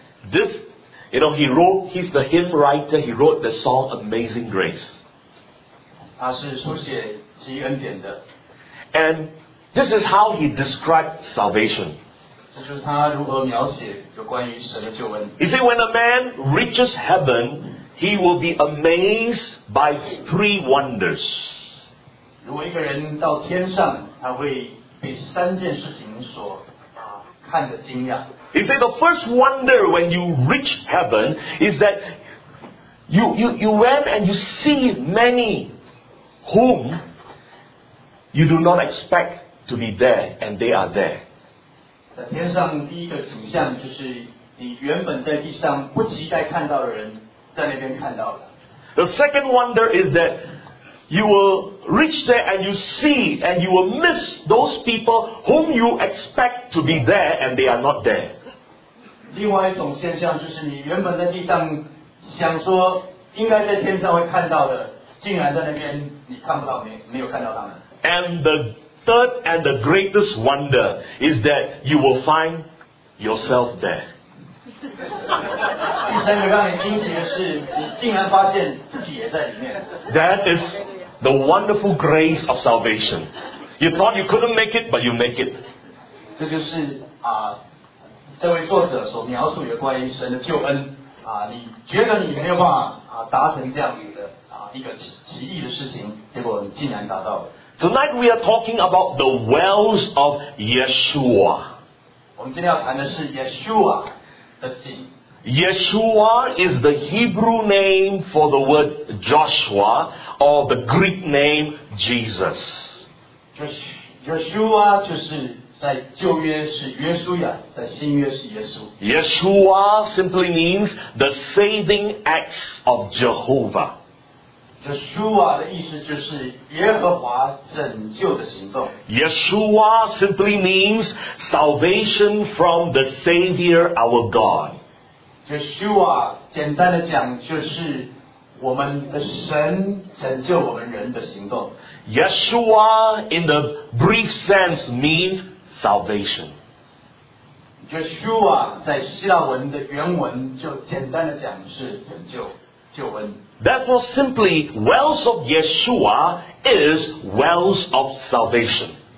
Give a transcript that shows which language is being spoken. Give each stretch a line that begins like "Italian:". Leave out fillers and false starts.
English: This, you know, he wrote, he's the hymn writer, he wrote the song Amazing Grace.
Chinese: 他是书写奇异恩典的
English: And this is how he described salvation.
Chinese: 这就是他如何描写有关于神的救恩
English: He said, when a man reaches heaven, he will be amazed by three wonders.
Chinese: 如果一个人到天上他会被三件事情所看得惊讶。
English: He said the first wonder when you reach heaven is that you went and you see many whom you do not expect to be there and they are there.
Chinese: 在天上第一个景象就是你原本在地上不期待看到的人在那边看到了。
English: The second wonder is that. You will reach there and you see and you will miss those people whom you expect to be there and they are not there.
Chinese: 另外一种现象就是你原本在地上想说应该在天上会看到的竟然在那边你看不到没有看到他们。
English: And the third and the greatest wonder is that you will find yourself there.
Chinese: 第三个让你惊奇的是你竟然发现自己也在里面。
English: That is... The wonderful grace of salvation. You thought you couldn't make it, but you make it.
Chinese: 这就是这位作者所描述有关于神的救恩你觉得你没有办法达成这样子的一个奇异的事情，结果你竟然达到了。
English: Tonight we are talking about the wells of Yeshua.
Chinese: 我们今天要谈的是 Yeshua 的井。
English: Yeshua is the Hebrew name for the word Joshua, or the Greek name Jesus.
Chinese: Yeshua 就是在旧约是约书亚，在新约是耶稣。
English: Yeshua simply means the saving acts of Jehovah.
Chinese: Yeshua 的意思就是耶和华拯救的行动。
English: Yeshua simply means salvation from the Savior our God.
Chinese: Yeshua 简单的讲就是我们的神拯救我们人的行动。
English: Yeshua in the brief sense means salvation.
Chinese: Yeshua 在希腊文的原文就简单的讲是拯救救恩。
English: Therefore simply wells of Yeshua is wells of salvation.